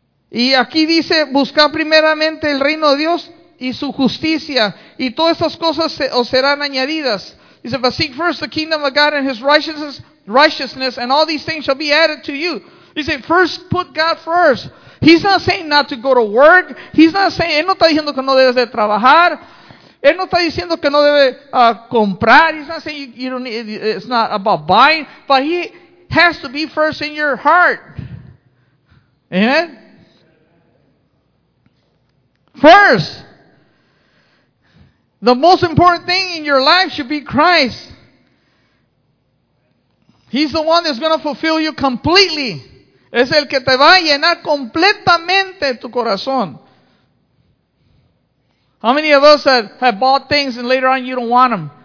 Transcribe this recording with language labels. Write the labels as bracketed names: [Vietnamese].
[Spanish] Y aquí dice, buscar primeramente el reino de Dios y su justicia, y todas estas cosas os serán añadidas. [English] He said, but seek first the kingdom of God and His righteousness, and all these things shall be added to you. He said, first put God first. He's not saying not to go to work. He's not saying, [Spanish] Él no está diciendo que no debes de trabajar. Él no está diciendo que no debes comprar. [English] He's not saying you don't need, it's not about buying. But He has to be first in your heart. Amen? First. The most important thing in your life should be Christ. He's the one that's going to fulfill you completely. [Spanish] Es el que te va a llenar completamente tu corazón. [English] How many of us have bought things and later on you don't want them?